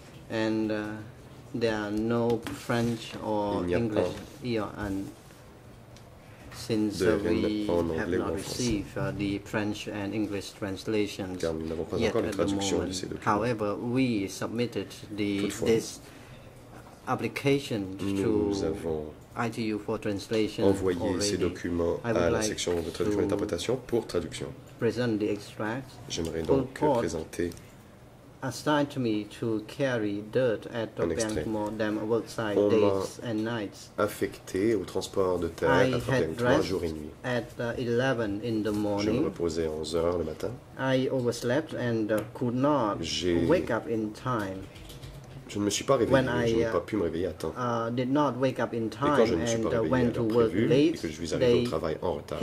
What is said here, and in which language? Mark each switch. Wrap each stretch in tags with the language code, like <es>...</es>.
<en>And there are no French or English Eon since we have not received the French and English translations yet at the moment. However, we submitted this application to ITU for translation.</en> <fr>Envoyez ces documents à la section de traduction et interprétation pour traduction.</fr> <en>Present the extract.</en> <fr>J'aimerais donc présenter.</fr> <en>Assigned to me to carry dirt at Trapiang Tamal Dam worksite days and nights.</en> <fr>Affecté au transport de terre à Trapiang Tamal jour et nuit.</fr> <en>At 11 in the morning.</en> <fr>Je me reposais 11h le matin.</fr> <en>I overslept and could not wake up in time.</en> <fr>Je ne me suis pas réveillé, je n'ai pas pu me réveiller à temps.</fr> <en>Did not wake up in time</en> <fr>et quand je ne</fr> <en>and</en> <fr>suis pas réveillé à l'heure prévue, et que je suis arrivé au travail en retard,</fr>